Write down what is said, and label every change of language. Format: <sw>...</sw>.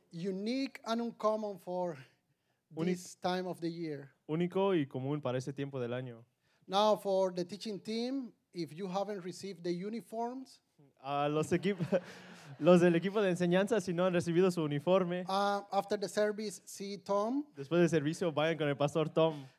<en>Unique and uncommon for this time of the year.</en> <es>Único y común para este tiempo del año.</es> <en>Now for the teaching team, if you haven't received the uniforms,</en> <es>los del equipo de enseñanza, si no han recibido su uniforme,</es> <en>after the service, see Tom.</en> <es>Después del servicio, vayan con el pastor Tom.</es>